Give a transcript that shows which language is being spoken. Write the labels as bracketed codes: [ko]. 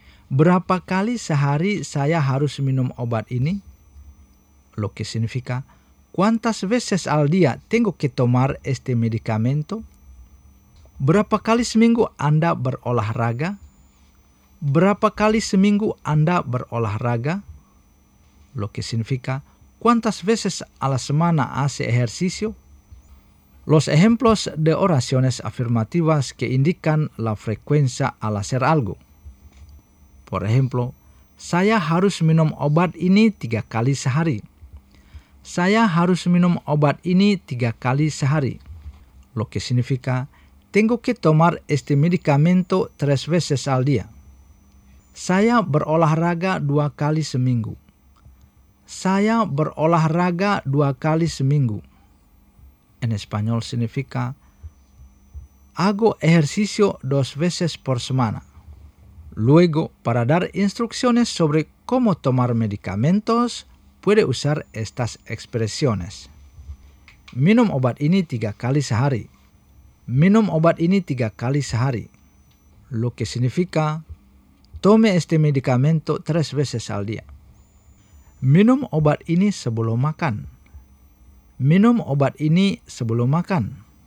[id] Berapa kali sehari saya harus minum obat ini? [es] Lo que significa, ¿cuántas veces al día tengo que tomar este medicamento? [id] Berapa kali seminggu Anda berolahraga? Berapa kali seminggu Anda berolahraga? [es] Lo que significa, ¿cuántas veces a la semana hace ejercicio? Los ejemplos de oraciones afirmativas que indican la frecuencia al hacer algo. Por ejemplo, [id] saya harus minum obat ini 3 kali sehari. Saya harus minum obat ini 3 kali sehari. [es] Lo que significa, tengo que tomar este medicamento 3 veces al día. [id] Saya berolahraga 2 kali seminggu. Saya berolahraga 2 kali seminggu. [es] En español significa, hago ejercicio 2 veces por semana. Luego, para dar instrucciones sobre cómo tomar medicamentos, puede usar estas expresiones. [id] Minum obat ini 3 kali sehari. Minum obat ini 3 kali sehari. [es] Lo que significa, tome este medicamento 3 veces al día. [id] Minum obat ini sebelum makan. Minum obat ini sebelum makan.